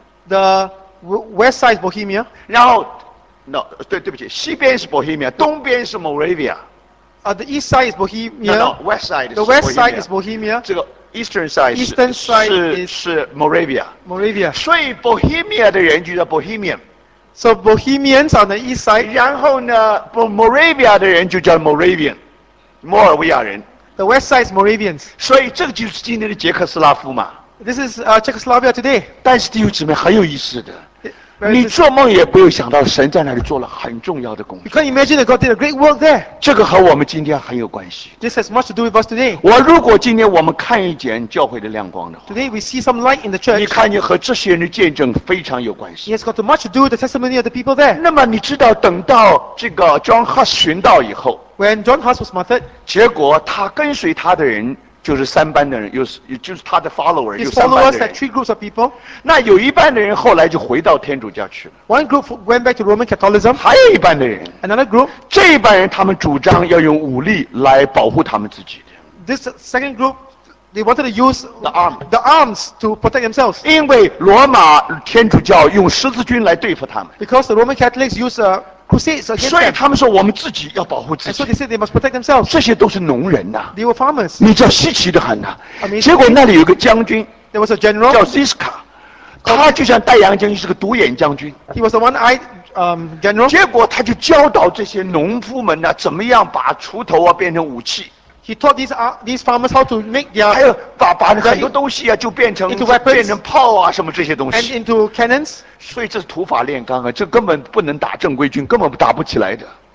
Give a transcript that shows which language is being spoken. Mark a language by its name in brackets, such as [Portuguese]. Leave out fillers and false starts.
[English] The West side is Bohemia. [Chinese] 然后 no, 对不起，西边是 Bohemia， 东边是 Moravia。 [English] The east side is Bohemia. No, west side. The west side is Bohemia. [Chinese] 这个 [English] eastern side. Eastern side is Moravia. Moravia. [Chinese] 所以 Bohemia 的人就叫 Bohemian. [English] So Bohemians on the east side. [Chinese] 然后呢 ，Moravia 的人就叫 Moravian， 摩尔维亚人。 [English] The west side is Moravians. [Chinese] 所以这个就是今天的捷克斯拉夫嘛。 [English] This is Czechoslovakia today. [Chinese] 但是弟兄姊妹很有意思的，你做梦也不会想到神在那里做了很重要的工作。 [English] You can't imagine that God did a great work there. [Chinese] 这个和我们今天很有关系。 [English] This has much to do with us today. [Chinese] 我如果今天我们看一见教会的亮光的话 [English] ，Today we see some light in the church. [Chinese] 你看见和这些人的见证非常有关系。 [English] It has got much to do with the testimony of the people there. [Chinese] 那么你知道，等到这个 John Huss 寻道以后 [English] ，When John Huss was martyred, [Chinese] 结果他跟随他的人。就是三班的人，就是他的 follower， 有三班的人。 [English] His followers had three groups of people. [Chinese] 那有一半的人后来就回到天主教去了。 [English] One group went back to Roman Catholicism. [Chinese] 还有一半的人。 [English] Another group. [Chinese] 这一半人他们主张要用武力来保护他们自己的。 [English] This second group, they wanted to use the arms to protect themselves. [Chinese] 因为罗马天主教用十字军来对付他们。 [English] Because the Roman Catholics use crusades against them. [Chinese] 所以他们说我们自己要保护自己。 [English] And so they said they must protect themselves. [Chinese] 这些都是农人呐、 [English] 啊。They were farmers. [Chinese] 你知道稀奇的很呐、啊。结果那里有个将军。 [English] There was a general. [Chinese] 叫 Ziska， 他就像戴阳将军，是个独眼将军。 [English] He was a one-eyed general. [Chinese] 结果他就教导这些农夫们呐、啊，怎么样把锄头啊变成武器。 [English] He taught these farmers how to make their [Chinese] 还有把很多东西啊就变成 [English] into weapons, [Chinese] 变成炮啊什么这些东西 [English] and into cannons. [Chinese] 所以这是土法炼钢啊，这根本不能打正规军，根本打不起来的。